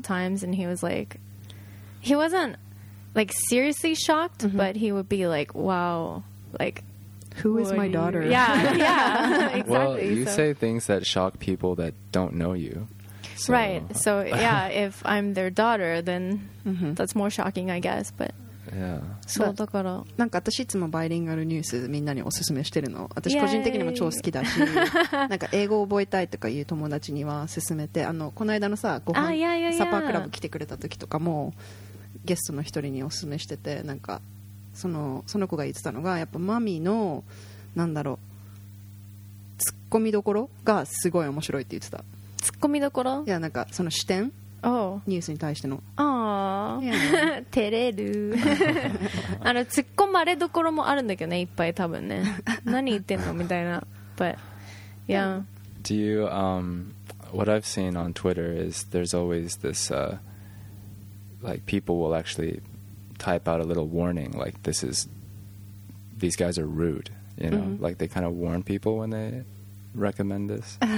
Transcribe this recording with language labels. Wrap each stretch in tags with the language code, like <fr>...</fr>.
<en>times, and he was like, he wasn't like seriously shocked, mm-hmm. but he would be like, "Wow, like, who is my daughter?" Yeah, yeah, exactly. Well, you say things that shock people that don't know you, so. Right? So, yeah, if I'm their daughter, then mm-hmm. that's more shocking, I guess, but. Yeah.</en> <ja>そうだからなんか私いつもバイリンガルニュースみんなにおすすめしてるの私個人的にも超好きだしなんか英語を覚えたいとかいう友達には勧めてあのこの間のさご飯、</ja> <en>yeah, yeah, yeah.</en> <ja>サパークラブ来てくれた時とかもゲストの一人におすすめしててなんかその子が言ってたのがやっぱマミのなんだろうツッコミどころがすごい面白いって言ってたツッコミどころいやなんかその視点</ja> <en>Oh.</en> <ja>ニュースに対しての、</ja> <en>yeah.</en> <ja>照れるあの突っ込まれどころもあるんだけどねいっぱい多分ね何言ってんのみたいな</ja> <en>But, yeah. Do you, what I've seen on Twitter is there's always this like people will actually type out a little warning like this is these guys are rude you know、mm-hmm. like they kind of warn people when theyRecommend this?</en>